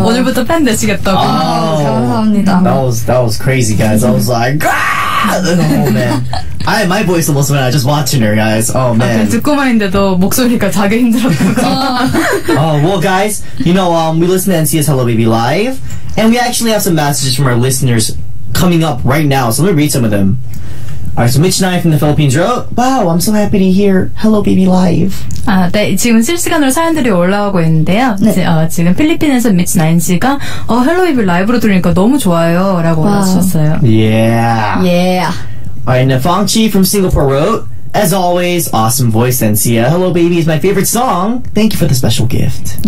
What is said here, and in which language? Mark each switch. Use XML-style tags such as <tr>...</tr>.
<ko>오늘부터 팬 되시겠다고. 감사합니다.</ko> <en>That was crazy, guys. I was like, oh man. My voice almost went out just watching her, guys. Oh man.</en> <ko>듣고만 있는데도 목소리가 자기 힘들었다고.</ko> <en>Oh, well, guys, you know, we listen to NCS Hello Baby live, and we actually have some messages from our listeners coming up right now, so let me read some of them. Alright, so Mitch and I from the Philippines wrote, wow, I'm so happy to hear Hello Baby live.</en> <ko>아, 네, 지금 실시간으로 사연들이 올라오고 있는데요. 네. 지금 필리핀에서 미치 나인씨가 헬로 이브 라이브로 들으니까 너무 좋아요 라고 올라주셨어요.</ko> <en>Yeah. Yeah. Alright, now Fong Chi from Singapore wrote, As always, awesome voice, Sensia. Hello, baby is my favorite song. Thank you for the special gift.</en>